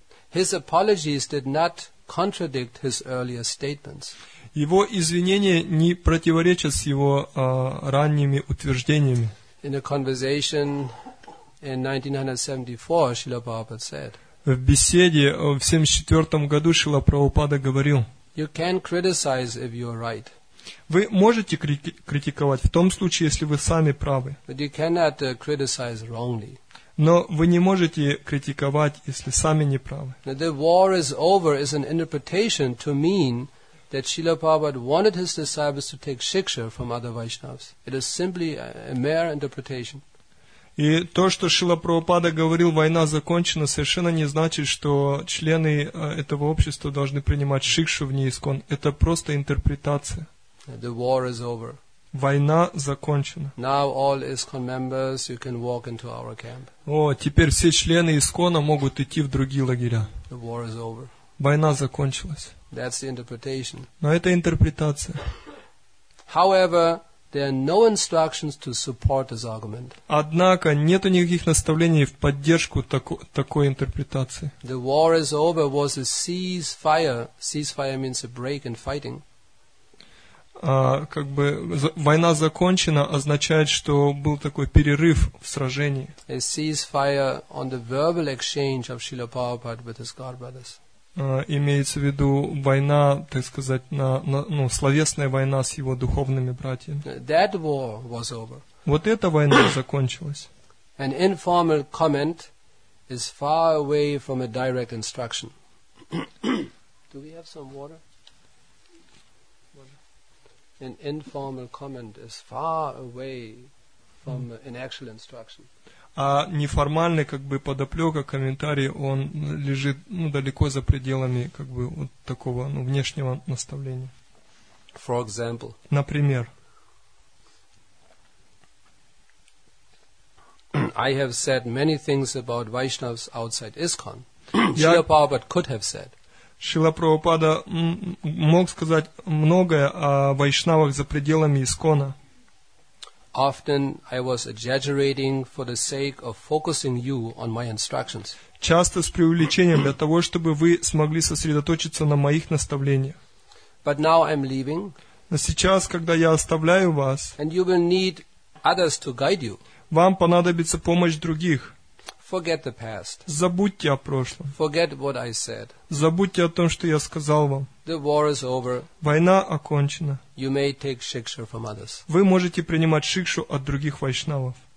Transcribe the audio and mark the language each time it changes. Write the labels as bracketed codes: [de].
[en] His apologies did not contradict his earlier statements. [ru] Его извинения не противоречат с его ранними утверждениями. [en] In a conversation in 1974, Srila Prabhupada said. [ru] В беседе в 74 году Шрила Прабхупада говорил. [en] You can criticize if you are right. [ru] Вы можете критиковать в том случае, если вы сами правы. [en] But you cannot criticize wrongly. [ru] Но вы не можете критиковать, если сами не правы. [en] The war is over is an interpretation to mean that Srila Prabhupada wanted his disciples to take shiksha from other Vaishnavas. It is simply a mere interpretation. [ru] И то, что Шрила Прабхупада говорил, война закончена, совершенно не значит, что члены этого общества должны принимать шикшу вне искон. Это просто интерпретация. [en] The war is over. [ru] Война закончена. [en] Now all ISKCON members, you can walk into our camp. [ru] О, теперь все члены ИСКОНа могут идти в другие лагеря. [en] The war is over. [ru] Война закончилась. [en] That's the interpretation. [ru] Но это интерпретация. [en] However, there are no instructions to support this argument. [ru] Однако нету никаких наставлений в поддержку такой интерпретации. [en] The war is over was a ceasefire. Ceasefire means a break in fighting. [ru] Как бы война закончена означает, что был такой перерыв в сражении. [en] A ceasefire on the verbal exchange of Srila Prabhupada with his godbrothers. [ru] Имеется в виду война, так сказать, на словесная война с его духовными братьями. [en] That war was over. [ru] Вот эта война закончилась. [en] An informal comment is far away from a direct instruction. Do we have some water? An informal comment is far away from an actual instruction. [ru] А неформальный, как бы, подоплека, комментарий, он лежит, ну, далеко за пределами, как бы, вот такого, ну, внешнего наставления. [en] For example. [ru] Например. [en] I have said many things about Vaishnavas outside ISKCON. Srila Prabhupada could have said. [ru] Шрила Прабхупада мог сказать многое о вайшнавах за пределами ИСКОНа. [en] Often I was exaggerating for the sake of focusing you on my instructions. [ru] Часто с преувеличением для того, чтобы вы смогли сосредоточиться на моих наставлениях. [en] But now I'm leaving. [ru] Но сейчас, когда я оставляю вас, [en] and you will need others to guide you. [ru] Вам понадобится помощь других. [en] Forget the past. [ru] Забудьте о прошлом. [en] Forget what I said. [ru] Забудьте о том, что я сказал вам. [en] The war is over. [ru] Война окончена. [en] You may take shiksha from others. [ru] Вы можете принимать шикшу от других вайшнавов.